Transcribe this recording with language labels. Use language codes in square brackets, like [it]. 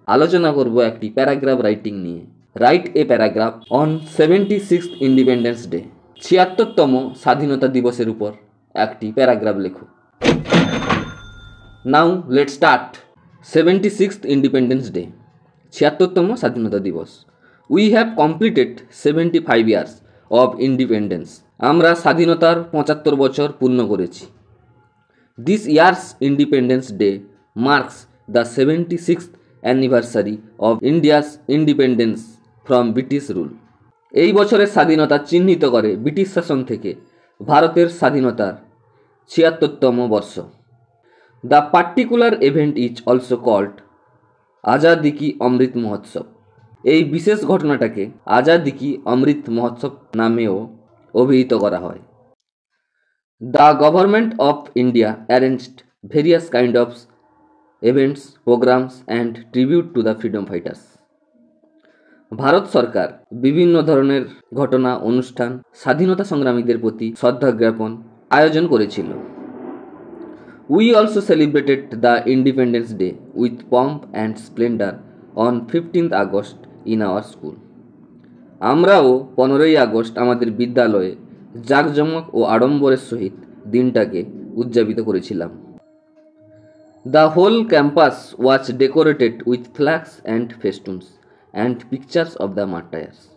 [bn] আলোচনা করব একটি প্যারাগ্রাফ রাইটিং নিয়ে। [en] write a paragraph on 76th Independence Day, [bn] 76তম স্বাধীনতা দিবসের উপর একটি প্যারাগ্রাফ লেখো। [en] Now let start. 76th Independence Day, [bn] 76তম স্বাধীনতা দিবস। [en] We have completed 75 years of independence. [bn] আমরা স্বাধীনতার 75 বছর পূর্ণ করেছি। [en] This year's Independence Day marks the 76th anniversary of India's independence from British rule. [bn] এই বছরের স্বাধীনতা চিহ্নিত করে ব্রিটিশ শাসন থেকে ভারতের স্বাধীনতার 76তম বর্ষ। [en] The particular event is also called Azadi ki Amrit Mahotsav. [bn] এই বিশেষ ঘটনাটাকে আজাদি কি অমৃত মহোৎসব নামেও অভিহিত করা হয়। [en] The government of India arranged various kind of events, programs and tribute to the freedom fighters. [bn] Bharat সরকার বিভিন্ন ধরনের ঘটনা, অনুষ্ঠান, স্বাধীনতা সংগ্রামীদের প্রতি শ্রদ্ধা জ্ঞাপন আয়োজন করেছিল। [en] We also celebrated the Independence Day with pomp and splendor on 15th August in our school. [bn] আমরাও 15ই আগস্ট আমাদের বিদ্যালয়ে জাঁকজমক ও আড়ম্বরের সহিত দিনটাকে উদযাপিত করেছিলাম। [en] The whole campus was decorated with flags and festoons and pictures of the martyrs.